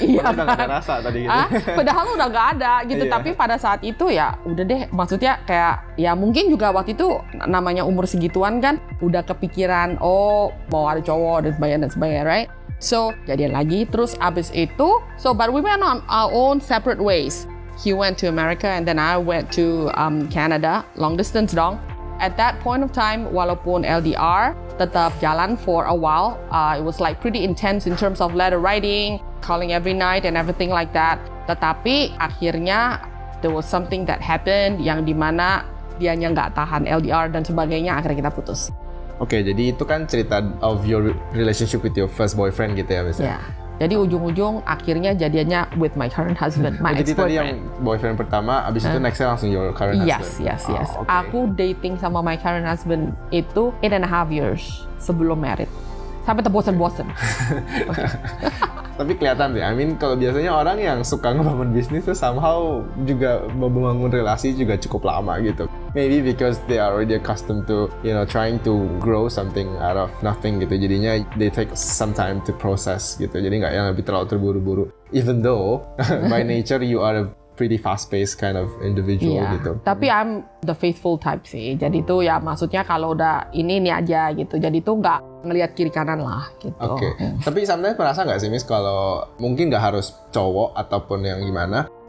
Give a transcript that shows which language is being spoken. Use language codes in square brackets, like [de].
[id] Iya. Padahal udah gak ada rasa tadi gitu. Padahal udah gak ada gitu, tapi pada saat itu ya udah deh. Maksudnya kayak, ya mungkin juga waktu itu namanya umur segituan kan, udah kepikiran, oh mau ada cowok dan sebagainya, right? [en] So, [id] jadian lagi, terus abis itu, [en] so but we went on our own separate ways. He went to America and then I went to Canada, long distance dong. At that point of time, [id] walaupun LDR tetap jalan [en] for a while, it was like pretty intense in terms of letter writing, calling every night and everything like that. [id] Tetapi akhirnya [en] there was something that happened [id] yang dimana dianya nggak tahan LDR dan sebagainya, akhirnya kita putus. Oke, jadi itu kan cerita [en] of your relationship with your first boyfriend [id] gitu ya, misalnya. [en] Yeah. [id] Jadi ujung-ujung akhirnya jadinya [en] with my current husband, my ex-boyfriend. [id] Jadi tadi yang boyfriend pertama, abis itu nextnya langsung [en] your current husband. Yes, yes, yes. Oh, okay. [id] Aku [en] dating [id] sama [en] my current husband [id] itu [en] 8.5 years [id] sebelum [en] married. [id] Sampai terbosen-bosen. Tapi kelihatan sih, [en] I mean [id] kalau biasanya orang yang suka ngebangun bisnis tuh somehow juga membangun relasi juga cukup lama gitu. [en] Maybe because they are already accustomed to, you know, trying to grow something out of nothing [id] gitu. Jadinya [en] they take some time to process [id] gitu. Jadi nggak yang lebih terlalu terburu-buru. [en] Even though by nature you are a pretty fast-paced kind of individual, yeah, [id] gitu. Tapi [en] I'm the faithful type [id] sih. Jadi tuh ya maksudnya kalau udah ini aja gitu. Jadi tuh nggak ngelihat kiri kanan lah gitu. Oke. [en] Okay. [id] Tapi sometimes merasa nggak sih Miss kalau mungkin nggak harus cowok ataupun yang gimana?